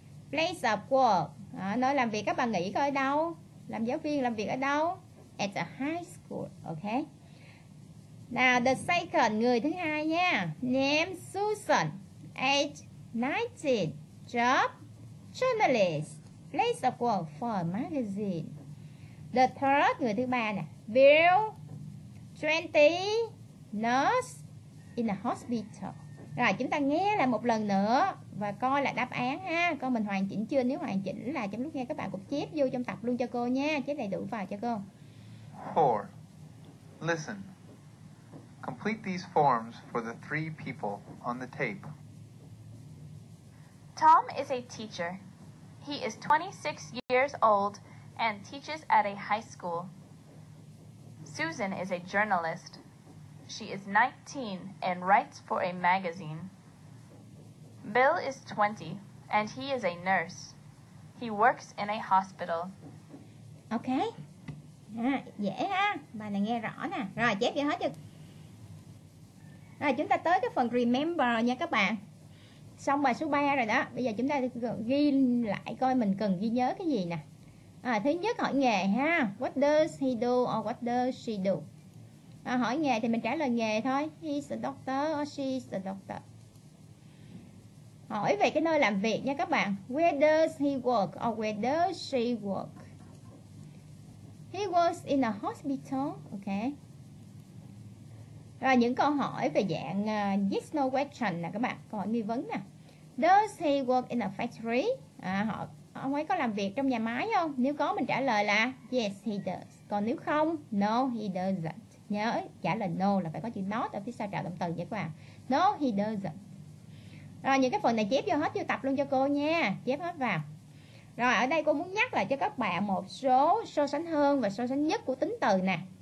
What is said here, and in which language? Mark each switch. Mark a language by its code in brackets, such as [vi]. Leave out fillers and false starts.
[vi] Place of work, à, nơi làm việc các bạn nghĩ coi đâu? Làm giáo viên làm việc ở đâu? [en] At a high school, okay. Now the second, [vi] người thứ hai nha. [en] Name Susan, age 19, job journalist, place of work for a magazine. The third, [vi] người thứ ba nè. [en] Bill, 20, nurse in a hospital. [vi] Rồi chúng ta nghe lại một lần nữa và coi lại đáp án ha. Coi mình hoàn chỉnh chưa? Nếu hoàn chỉnh là trong lúc nghe các bạn cũng chép vô trong tập luôn cho cô nha. Chép đầy đủ vào cho cô. [en] 4. Listen. Complete these forms for the three people on the tape. Tom is a teacher. He is 26 years old and teaches at a high school. Susan is a journalist. She is 19 and writes for a magazine. Bill is 20 and he is a nurse. He works in a hospital. [vi] Okay. Dễ ha. Bài này nghe rõ nè. Rồi, chép vậy hết chưa? Rồi, chúng ta tới cái phần remember nha các bạn. Xong bài số 3 rồi đó. Bây giờ chúng ta ghi lại coi mình cần ghi nhớ cái gì nè. À, thứ nhất hỏi nghề ha. [en] What does he do or what does she do? [vi] À, hỏi nghề thì mình trả lời nghề thôi. [en] He's a doctor or she's a doctor. [vi] Hỏi về cái nơi làm việc nha các bạn. [en] Where does he work or where does she work? He works in a hospital. Okay. [vi] Rồi những câu hỏi về dạng yes no question nè các bạn. Câu hỏi nghi vấn nè. [en] Does he work in a factory? [vi] À, ông ấy có làm việc trong nhà máy không? Nếu có mình trả lời là [en] yes he does. [vi] Còn nếu không, [en] no he doesn't. [vi] Nhớ trả lời no là phải có chữ not ở phía sau trào động từ nha các bạn. [en] No he doesn't. [vi] Rồi những cái phần này chép vô hết vô tập luôn cho cô nha. Chép hết vào. Rồi ở đây cô muốn nhắc lại cho các bạn một số so sánh hơn và so sánh nhất của tính từ nè.